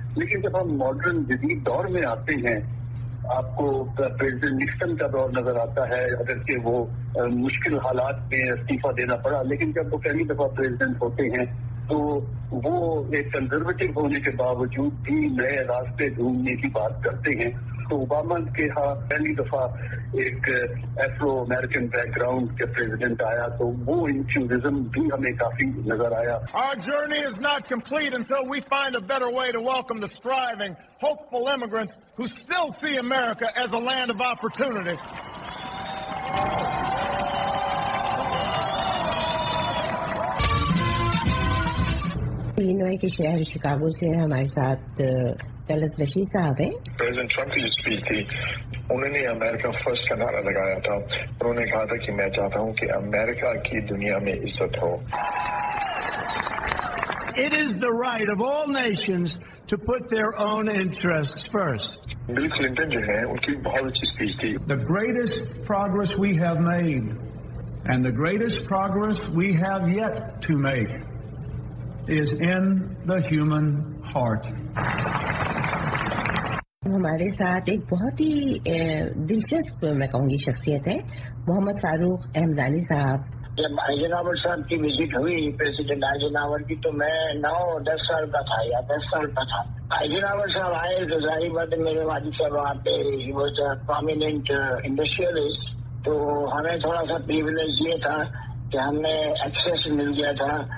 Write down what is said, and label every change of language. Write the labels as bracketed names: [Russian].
[Hindi] लेकिन जब हम मॉडर्न जदीद दौर में आते हैं, आपको प्रेसिडेंट निक्सन का दौर नजर आता है, अगर के वो मुश्किल हालात में इस्तीफा देना पड़ा, लेकिन जब वो पहली दफा प्रेसिडेंट होते हैं तो वो एक कंजर्वेटिव होने के बावजूद भी नए रास्ते ढूंढने की बात करते हैं। तो ओबामा के यहाँ पहली दफा एक एफ्रो अमेरिकन बैकग्राउंड के प्रेसिडेंट आया, तो वो इंक्लूसिविज्म भी हमें काफी नजर आया। [English] Our journey is not complete until we find a better way to welcome the striving, hopeful immigrants who still see America as a land of opportunity. [Hindi] Illinois के शहर शिकागो से हमारे साथ तलत रशीद साहब हैं। प्रेसिडेंट ट्रंप की जो स्पीच थी, उन्होंने अमेरिका फर्स्ट का नारा लगाया था। उन्होंने कहा था कि मैं चाहता हूं कि अमेरिका की दुनिया में इज्जत हो। [English] It is the right of all nations to put their own interests first. [Hindi] Bill Clinton जो है उनकी बहुत अच्छी स्पीच थी। [English] The greatest progress we have made and the greatest progress we have yet to make is in the human heart. [Hindi] हमारे साथ एक बहुत ही दिलचस्प, मैं कहूंगी, शख्सियत है, मोहम्मद फारूक अहमदानी साहब। जब आइजनहावर साहब की विजिट हुई, प्रेसिडेंट आइजनहावर की, तो मैं 9-10 साल का था या 10 साल का था। आइजनहावर साहब आए तो जाहिर बात है मेरे वाजिद साहब वहाँ पे [English] was a prominent industrialist, [Hindi] तो हमें थोड़ा सा प्रिविलेज ये था कि हमें एक्सेस मिल गया था।